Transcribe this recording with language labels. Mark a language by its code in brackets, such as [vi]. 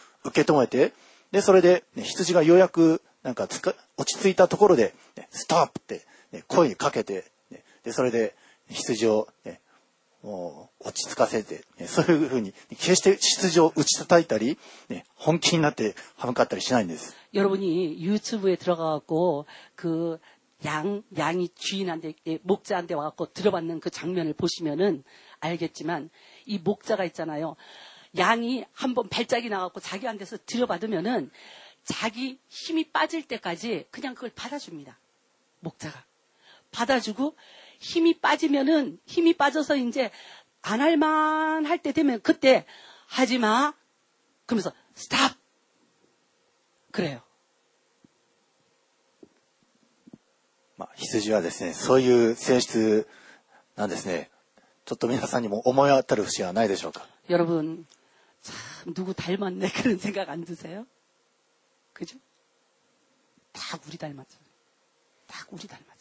[ja] 受け止めてでそれで、ね、羊がようやくなんか落ち着いたところで、ね、ストップって、ね、声かけて、ね、でそれで羊を、ね、もう落ち着かせて、ね、そういうふうに決して羊を打ち叩いたり、ね、本気になって歯向かったりしないんです [ko] 여러분이 YouTube에 들어가갖고그 양이 주인한테 목자한테 와갖고 들어받는 그 장면을 보시면은 알겠지만 이 목자가 있잖아요양이한번발작이나갖고자기한테서들여받으면은자기힘이빠질때까지그냥그걸받아줍니다목자가받아주고힘이빠지면은힘이빠져서이제안할만할때되면그때하지마그러면서스탑그래요 [ja] まあ羊はですねそういう性質なんですねちょっと皆さんにも思い当たる節はないでしょうか [ko] 여러분참누구닮았네그런생각안드세요그죠다우리닮았잖아요다우리닮았잖아요